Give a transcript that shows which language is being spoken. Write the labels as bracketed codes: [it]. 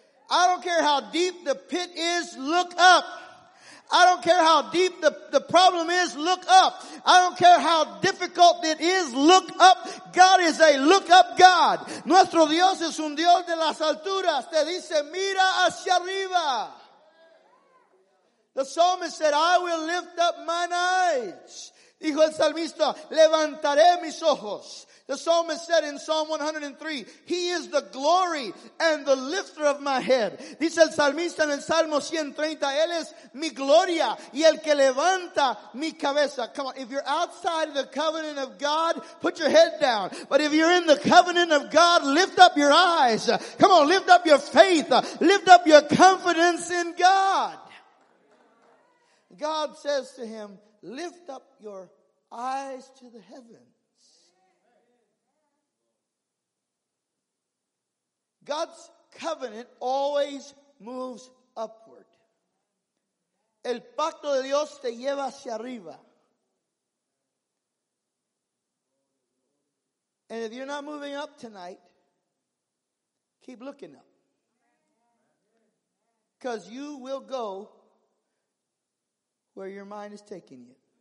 [en] I don't care how deep the pit is, look up. I don't care how deep the problem is, look up. I don't care how difficult it is, look up. God is a look up God. [es] Nuestro Dios es un Dios de las alturas. Te dice, mira hacia arriba. [en] The psalmist said, I will lift up mine eyes. [es] Dijo el salmista, levantaré mis ojos. [en] The psalmist said in Psalm 103, he is the glory and the lifter of my head. [es] Dice el salmista en el Salmo 130, él es mi gloria y el que levanta mi cabeza. [en] Come on, if you're outside of the covenant of God, put your head down. But if you're in the covenant of God, lift up your eyes. Come on, lift up your faith. Lift up your confidence in God. God says to him, lift up your eyes to the heavens. God's covenant always moves upward. [es] El pacto de Dios te lleva hacia arriba. [en] And if you're not moving up tonight, keep looking up. Because you will go where your mind is taking you.